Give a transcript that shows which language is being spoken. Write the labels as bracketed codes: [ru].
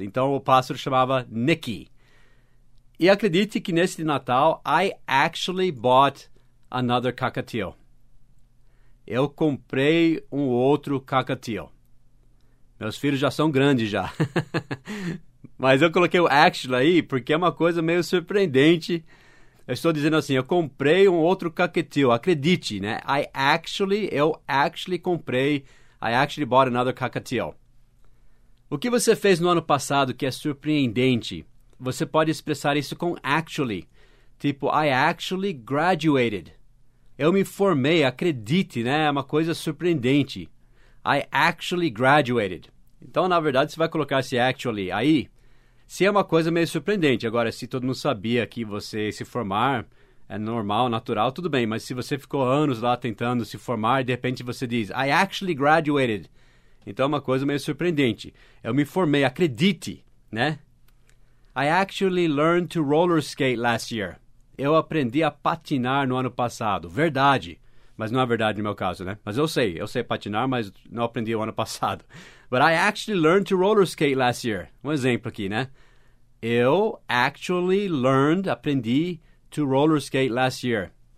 [pt] Então o pássaro chamava Nicky. E acredite que nesse Natal, [en] I actually bought another cockatiel. [pt] Eu comprei um outro cockatiel. Meus filhos já são grandes já. Mas eu coloquei o actually aí porque é uma coisa meio surpreendente. Eu estou dizendo assim, eu comprei um outro cockatiel. Acredite, né? [en] I actually bought another cockatiel. [pt] O que você fez no ano passado que é surpreendente? Você pode expressar isso com actually. [en] Tipo, I actually graduated. [pt] Eu me formei, acredite, né? É uma coisa surpreendente. [en] I actually graduated. [pt] Então, na verdade, você vai colocar esse actually aí. Se é uma coisa meio surpreendente. Agora, se todo mundo sabia que você se formar, é normal, natural, tudo bem. Mas se você ficou anos lá tentando se formar, de repente você diz, [en] I actually graduated. [pt] Então, é uma coisa meio surpreendente. Eu me formei, acredite, né? [en] I actually learned to roller skate last year. [pt] Eu aprendi a patinar no ano passado. Verdade. Mas não é verdade no meu caso, né? Mas eu sei patinar, mas não aprendi o ano passado. [en] But I actually learned to roller skate last year. [pt] Um exemplo aqui, né? [en] Eu actually learned, aprendi to roller skate last year.